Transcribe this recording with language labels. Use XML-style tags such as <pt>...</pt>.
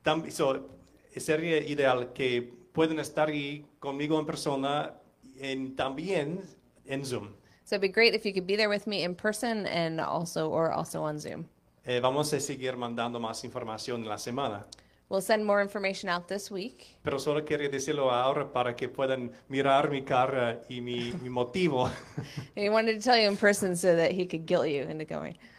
<en>So,</en> <es>sería ideal que pueden estar ahí conmigo en persona y también en Zoom.</es> <en>So it'd be great if you could be there with me in person and also or also on Zoom.</en> <es>Vamos a seguir mandando más información en la semana.</es> <en>We'll send more information out this week.</en> <es>Pero solo quería decirlo ahora para que puedan mirar mi cara y mi motivo.</es> <en>He wanted to tell you in person so that he could guilt you into going.</en>